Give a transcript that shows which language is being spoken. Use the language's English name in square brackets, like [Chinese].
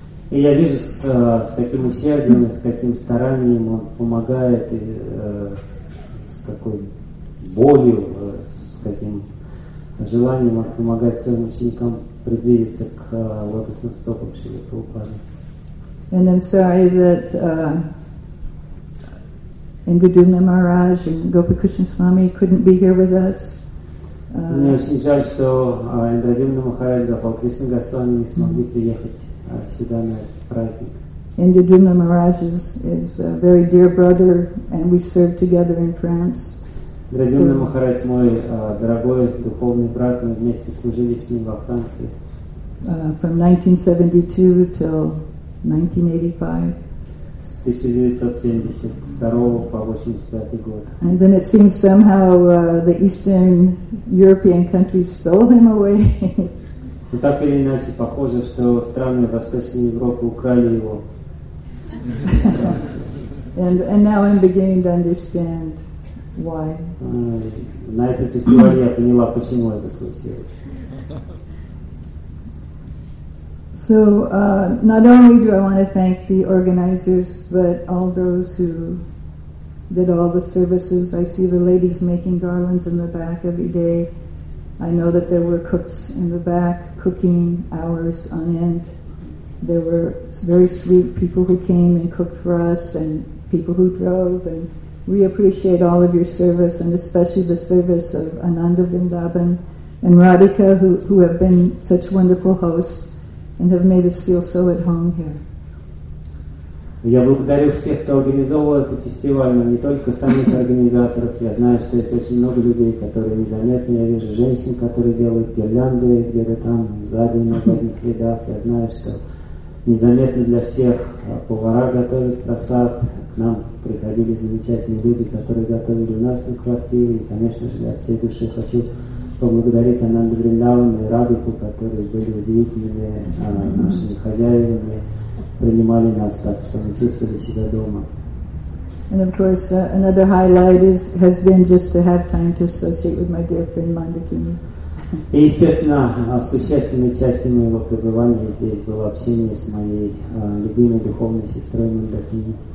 [Russian] И я вижу с каким усердием, с каким старанием он помогает, с какой болью, с каким желанием он помогает своим ученикам приблизиться к лотосным стопам Шрилы Прабхупады. [English] And I'm sorry that Ingridna Maharaj and Gopikrishna Swami couldn't be here with us. [Russian] Мне очень жаль, что Индрадивна Махарадж и Гопал Кришна Госвами не смогли приехать сюда на праздник. [English] Индрадивна Махарадж is a very dear brother, and we served together in France. [Russian] Индрадивна Махарадж мой дорогой духовный брат, мы вместе служили с ним во Франции. [English] From 1972 till 1985. [Russian] С 1972 по 1985 год. [English] And then it seems somehow the Eastern European countries stole him away. [Russian] Ну так или иначе, похоже, что страны Восточной Европы украли его. [English] And now I'm beginning to understand why. [Russian] На этом фестивале я поняла, почему это случилось. [English] So not only do I want to thank the organizers, but all those who did all the services. I see the ladies making garlands in the back every day. I know that there were cooks in the back cooking hours on end. There were very sweet people who came and cooked for us, and people who drove. And we appreciate all of your service, and especially the service of Ananda Vrindavan and Radhika, who have been such wonderful hosts and have made us feel so at home here. [Russian] Я благодарю всех, кто организовывал этот фестиваль, но не только самих организаторов. Я знаю, что есть очень много людей, которые незаметны. Я вижу женщин, которые делают гирлянды где-то там, сзади, на задних рядах. Я знаю, что незаметно для всех повара готовят просад. К нам приходили замечательные люди, которые готовили у нас на квартире. И, конечно же, от всей души хочу поблагодарить Ананду Вриндаван и Радху, которые были удивительными нашими хозяевами, принимали нас так, что мы чувствовали себя дома. [English] And of course, another highlight has been just to have time to associate with my dear friend Mandakini. [Russian] И естественно, существенной частью моего пребывания здесь было общение с моей любимой духовной сестрой Мандакини.